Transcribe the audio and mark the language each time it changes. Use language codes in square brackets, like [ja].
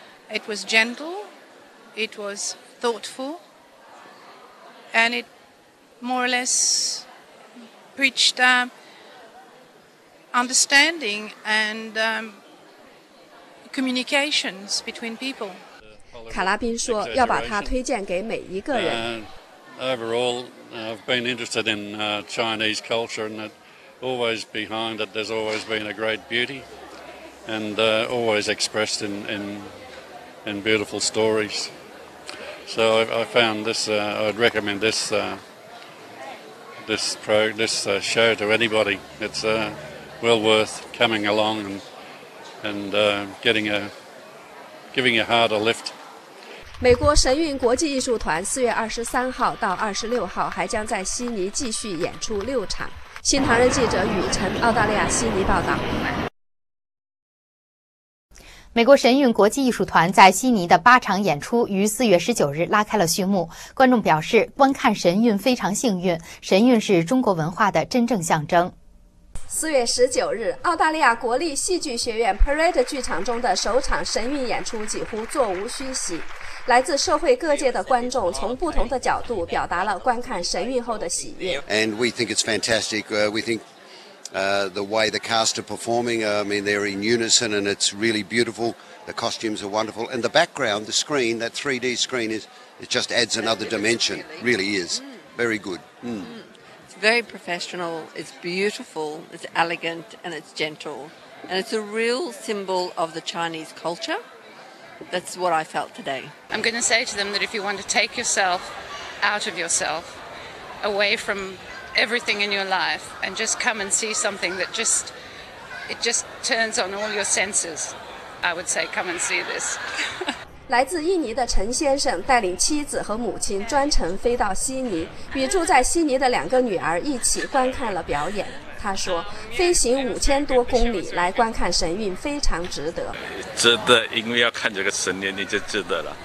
[en] It was gentle, it was thoughtful, and it more or less preached understanding and communications between people. [zh] 卡拉宾说要把它推荐给每一个人。 [en] Overall, I've been interested in Chinese culture, and that always behind it, there's always been a great beauty, and always expressed in beautiful stories. So I found this. I'd recommend this show to anybody. It's well worth coming along and giving your heart a lift. [zh] 美国神韵国际艺术团4月23号到26号还将在悉尼继续演出6场。新唐人记者雨辰，澳大利亚悉尼报道。美国神韵国际艺术团在悉尼的8场演出于4月19日拉开了序幕。观众表示，观看神韵非常幸运，神韵是中国文化的真正象征。 4月19日，澳大利亚国立戏剧学院 Parade 剧场中的首场神韵演出几乎座无虚席。来自社会各界的观众从不同的角度表达了观看神韵后的喜悦。 [en] And we think it's fantastic. We think the way the cast are performing, I mean, they're in unison and it's really beautiful. The costumes are wonderful. And the background, the screen, that 3D screen, it just adds another dimension. Really is. Very good. It's very professional. It's beautiful. It's elegant and it's gentle. And it's a real symbol of the Chinese culture. That's what I felt today. I'm going to say to them that if you want to take yourself out of yourself, away from everything in your life, and just come and see something that just, it just turns on all your senses, I would say come and see this. [zh] 来自印尼的陈先生带领妻子和母亲专程飞到悉尼，与住在悉尼的两个女儿一起观看了表演。他说飞行5000多公里来观看神韵非常值得。值得，因为要看这个神韵你就值得了。